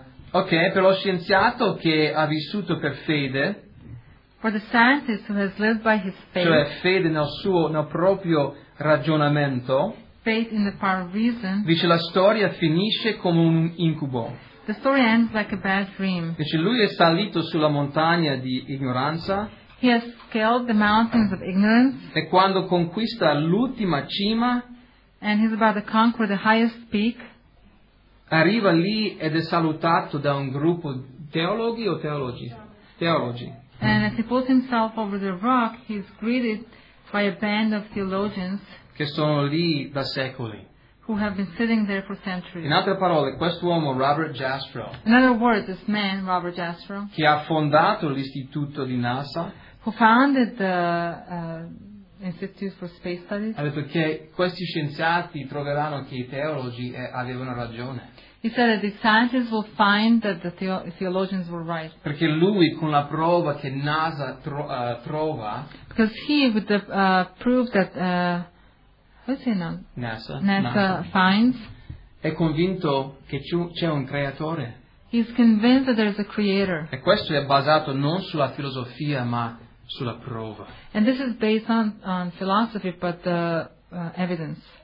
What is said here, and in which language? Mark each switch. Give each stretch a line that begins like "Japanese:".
Italian: ok, per lo scienziato che ha vissuto per fede.
English: For the scientist who has lived by his faith.
Italian: Cioè fede nel proprio ragionamento.
English: Faith in the power of reason.
Italian: Dice, la storia finisce come un incubo.
English: The story ends like a bad dream.
Italian: Dice, lui è salito sulla montagna di ignoranza.
English: He has scaled the mountains of ignorance.
Italian: E quando conquista l'ultima cima.
English: And he's about to conquer the highest peak.
Italian: Arriva lì ed è salutato da un gruppo teologi o teologi? Teologi.
English: And as he pulls himself over the rock, he's greeted by a band of theologians.
Italian: Che sono lì da secoli.
English: Who have been sitting there for centuries.
Italian: In altre parole, quest'uomo Robert Jastrow.
English: In other words, this man Robert Jastrow.
Italian: Che ha fondato l'istituto di NASA.
English: Who founded the Institute for Space Studies.
Italian: Ha detto che questi scienziati troveranno che i teologi avevano ragione.
English: He said that the scientists will find that the theologians were right.
Italian: Perché lui con la prova che NASA trova.
English: Because he with the proof that NASA finds.
Italian: È convinto che c'è un creatore.
English: He's convinced that there's a creator.
Italian: E questo è basato non sulla filosofia ma sulla prova.
English: And this is based on philosophy but evidence.